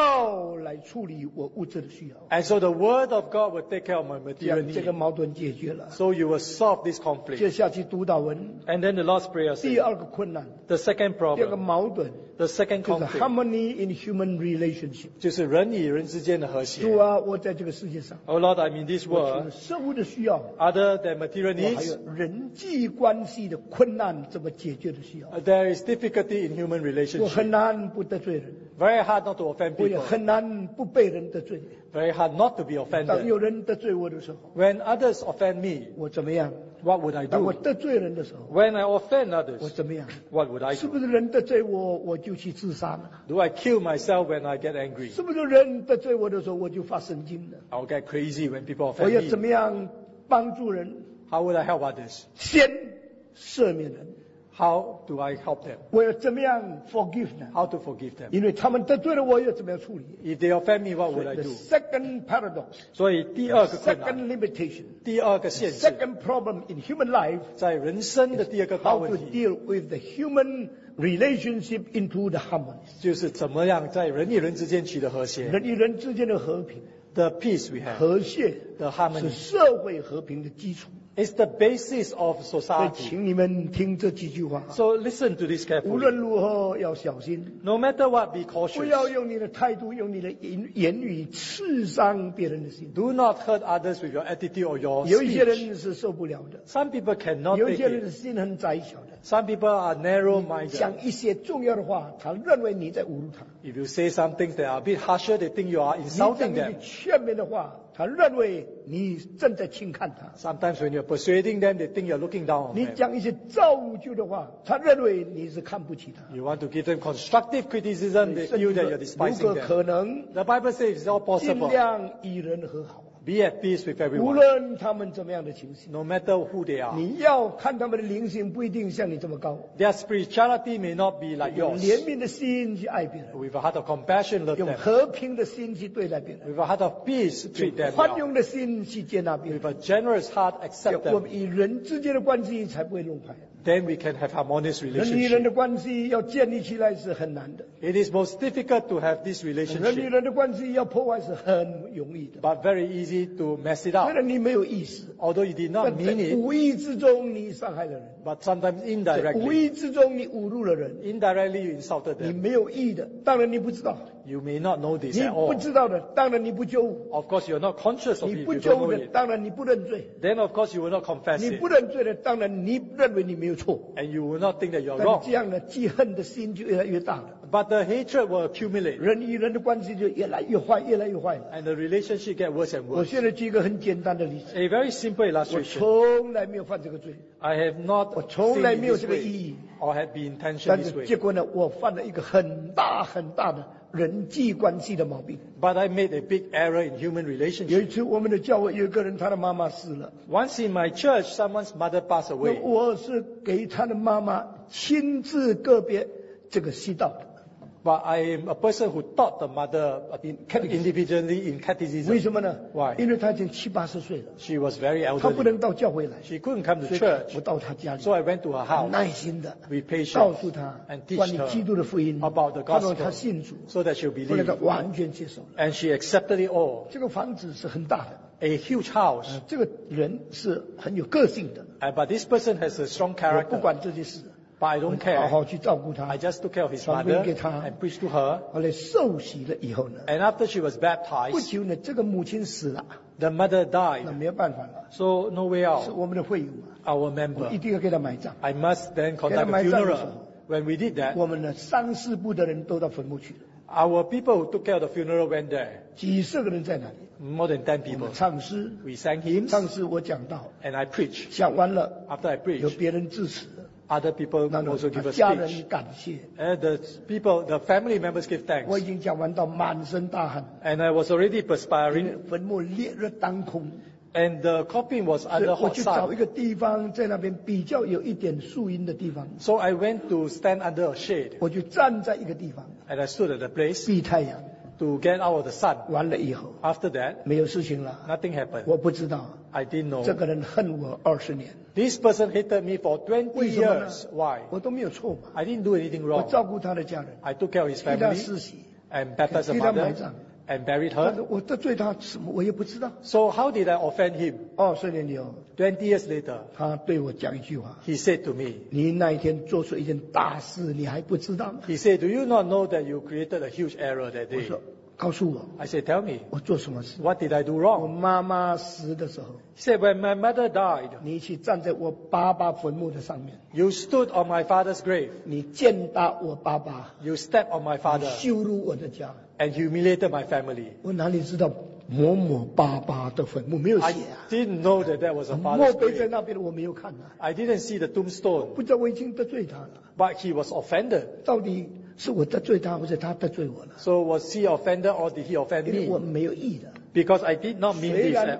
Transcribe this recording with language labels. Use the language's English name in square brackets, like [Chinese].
[Chinese] 你需要从我口中所出的每一句话。用上帝的道来处理我物质的需要。 [English] And so the word of God will take care of my material need. [Chinese] 这样这个矛盾解决了。 [English] So you will solve this conflict. [Chinese] 接下去读到文, [English] and then the last prayer says, [Chinese] 第二个困难, [English] the second problem, [Chinese] 第二个矛盾, [English] the second conflict, [Chinese] 就是 [English] harmony in human relationship. [Chinese] 就是人与人之间的和谐。主啊, 我在这个世界上, [English] oh Lord, I'm in this world. [Chinese] 我除了生物的需要, [English] other than material needs, [Chinese] 我还有人际关系的困难怎么解决的需要。 [English] There is difficulty in human relationship. [Chinese] 我很难不得罪人。 [English] Very hard not to offend people. [Chinese] 我也很难不被人得罪。 [English] Very hard not to be offended. [Chinese] 当有人得罪我的时候 [English] ，When others offend me， [Chinese] 我怎么样 [English] ？What would I do？ [Chinese] 当我得罪人的时候 [English] ，When I offend others， [Chinese] 我怎么样 [English] ？What would I do？ [Chinese] 是不是人得罪我，我就去自杀呢 [English] ？Do I kill myself when I get angry？ [Chinese] 是不是人得罪我的时候，我就发神经呢 [English] ？I'll get crazy when people offend me。 [Chinese] 我要怎么样帮助人 [English] ？How would I help others？ [Chinese] 先赦免人。 [English] How do I help them? [Chinese] 我要怎么样 [English] forgive them? How to forgive them? [Chinese] 因为他们得罪了我，要怎么样处理？ [English] If they offend me, what would I do? The second paradox. [Chinese] 所以第二个困难。 [English] Second limitation. [Chinese] 第二个限制。 [English] The second problem in human life. [Chinese] 在人生的第二个大问题。 [English] How to deal with the human relationship into the harmony? [Chinese] 就是怎么样在人与人之间取得和谐。人与人之间的和平。 [English] The peace we have. [Chinese] 和谐。 [English] The harmony. [Chinese] 是社会和平的基础。 [English] It's the basis of society. [Chinese] 请你们听这几句话。 [English] So listen to this carefully. [Chinese] 无论如何要小心。 [English] No matter what, be cautious. [Chinese] 不要用你的态度，用你的言语刺伤别人的心。 [English] Do not hurt others with your attitude or your speech. [Chinese] 有一些人是受不了的。 [English] Some people cannot take it. [Chinese] 有一些人是心很窄小的。 [English] Some people are narrow-minded. [Chinese] 讲一些重要的话，他认为你在侮辱他。 [English] If you say some things that are a bit harsher, they think you are insulting them. [Chinese] 你讲一些劝勉的话。他认为你正在轻看他。 [English] Sometimes when you're persuading them, they think you're looking down on them. [Chinese] 你讲一些造物就的话，他认为你是看不起他。 [English] You want to give them constructive criticism, they feel that you're despising them. [Chinese] 如果可能 [English] ，The Bible says it's all possible. [Chinese] 尽量与人和好。 [English] Be at peace with everyone. [Chinese] 无论他们怎么样的情形 [English] ，No matter who they are. [Chinese] 你要看他们的灵性不一定像你这么高。 [English] Their spirituality may not be like yours. [Chinese] 用怜悯的心去爱别人。 [English] With a heart of compassion, love them. [Chinese] 用和平的心去对待别人。 [English] With a heart of peace, treat them. [Chinese] 用宽容的心去接纳别人。 [English] With a generous heart, accept them. [Chinese] 我们与人之间的关系才不会弄坏。 [English] Then we can have harmonious relationship. [Chinese] 人与人的关系要建立起来是很难的。 [English] It is most difficult to have this relationship. [Chinese] 人与人的关系要破坏是很容易的。 [English] But very easy to mess it up. [Chinese] 虽然你没有意思。 [English] Although you did not mean it. [Chinese] 无意之中你伤害了人。 [English] But sometimes indirectly. [Chinese] 无意之中你侮辱了人。 [English] Indirectly you insulted them. [Chinese] 你没有意的，当然你不知道。 [English] You may not know this at all. [Chinese] 你不知道的，当然你不纠。 [English] Of course you are not conscious of it. [Chinese] 你不纠的，当然你不认罪。 [English] Then of course you will not confess it. [Chinese] 你不认罪的，当然你认为你没有。 [English] And you will not think that you're wrong. [Chinese] 但这样的记恨的心就越来越大了。 [English] But the hatred will accumulate. [Chinese] 人与人的关系就越来越坏，越来越坏。 [English] And the relationship gets worse and worse. [Chinese] 我现在举一个很简单的例子。 [English] A very simple illustration. [Chinese] 我从来没有犯这个罪。 [English] I have not. [Chinese] 我从来没有这个意义。 [English] Or have been intentionally this way. [Chinese] 但是结果呢，我犯了一个很大很大的人际关系的毛病。 [English] But I made a big error in human relationship. [Chinese] 有一次我们的教会有一个人，他的妈妈死了。 [English] Once in my church, someone's mother passed away. [Chinese] 我是给他的妈妈亲自个别这个祈祷的。 [English] But I am a person who taught the mother individually in catechism. [Chinese] 为什么呢 [English] ？Why？ [Chinese] 因为她已经七八十岁了。 [English] She was very elderly. [Chinese] 她不能到教会来。 [English] She couldn't come to church. [Chinese] 我到她家里。 [English] So I went to her house. [Chinese] 耐心的。 [English] With patience. [Chinese] 告诉她。 [English] And teach her. [Chinese] 关于基督的福音。 [English] About the gospel. [Chinese] 她说她信主。 [English] So that she'll believe. [Chinese] 后来她完全接受了。 [English] And she accepted it all. [Chinese] 这个房子是很大的。 [English] A huge house. [Chinese] 这个人是很有个性的。 [English] But this person has a strong character. [Chinese] 我不管这些事。 [English] But I don't care. [Chinese] 好好去照顾他。 [English] I just took care of his mother and preached to her. [Chinese] 后来受洗了以后呢 [English] ？And after she was baptized. [Chinese] 不久呢，这个母亲死了。 [English] The mother died. [Chinese] 那没有办法了。 [English] So no way out. [Chinese] 是我们的会友嘛 [English] ？Our member. [Chinese] 我一定要给他埋葬。 [English] I must then conduct a funeral. When we did that. [Chinese] 我们的三四部的人都到坟墓去了。 [English] Our people who took care of the funeral went there. [Chinese] 几十个人在哪里 [English] ？More than 10 people. [Chinese] 我们唱诗。 [English] We sang hymns. [Chinese] 唱诗我讲道。 [English] And I preach. [Chinese] 讲完了。 [English] After I preach. [Chinese] 有别人致辞。 [English] Other people also give a speech. The people, the family members give thanks. [Chinese] 我已经讲完到满身大汗。 [English] And I was already perspiring. [Chinese] 坟墓烈日当空。 [English] And the coffin was under hot sun. [Chinese] 我去找一个地方，在那边比较有一点树荫的地方。 [English] So I went to stand under a shade. [Chinese] 我就站在一个地方。 [English] And I stood at a place. [Chinese] 避太阳。 [English] To get out of the sun. [Chinese] 完了以后。 [English] After that. [Chinese] 没有事情了。 [English] Nothing happened. [Chinese] 我不知道。 [English] I didn't know. [Chinese] 这个人恨我二十年。 [English] This person hated me for 20 years. Why? [Chinese] 我都没有错嘛。 [English] I didn't do anything wrong. [Chinese] 我照顾他的家人。 [English] I took care of his family. [Chinese] 替他施洗。 [English] And baptized the mother. [Chinese] 替他埋葬。 [English] And buried her. [Chinese] 我得罪他什么我也不知道。 [English] So how did I offend him? [Chinese] 二十年以后。 [English] 20 years later. [Chinese] 他对我讲一句话。 [English] He said to me. [Chinese] 你那一天做出一件大事你还不知道吗 [English] ？He said, Do you not know that you created a huge error that day? [Chinese] 我说告诉我。 [English] I said, tell me. [Chinese] 我做什么事 [English] ？What did I do wrong? [Chinese] 我妈妈死的时候。 [English] Said when my mother died. [Chinese] 你去站在我爸爸坟墓的上面。 [English] You stood on my father's grave. [Chinese] 你践踏我爸爸。 [English] You stepped on my father. [Chinese] 你羞辱我的家。 [English] And humiliated my family. [Chinese] 我哪里知道某某爸爸的坟墓没有写啊 [English] ？I didn't know that that was a father's grave. [Chinese] 墓碑在那边，我没有看啊。 [English] I didn't see the tombstone. [Chinese] 不知道我已经得罪他了。 [English] But he was offended. [Chinese] 到底。是我得罪他，或者他得罪我了。 [English] So was he offended or did he offend me? [Chinese] 因为我没有意的。 [English] Because I did not mean this at all.